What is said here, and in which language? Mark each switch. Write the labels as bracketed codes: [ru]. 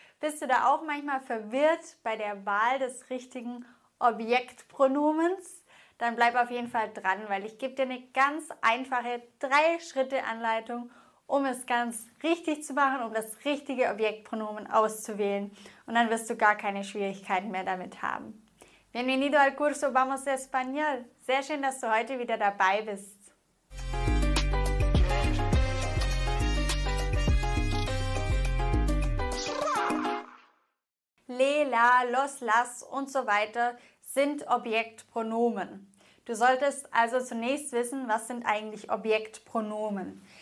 [de] Bist du da auch manchmal verwirrt bei der Wahl des richtigen Objektpronomens? Dann bleib auf jeden Fall dran, weil ich gebe dir eine ganz einfache 3-Schritte-Anleitung, um es ganz richtig zu machen, um das richtige Objektpronomen auszuwählen. Und dann wirst du gar keine Schwierigkeiten mehr damit haben. [es] Bienvenido al curso Vamos a Español. [de] Sehr schön, dass du heute wieder dabei bist. Le, la, los, las und so weiter sind Objektpronomen. Du solltest also zunächst wissen, was sind eigentlich Objektpronomen.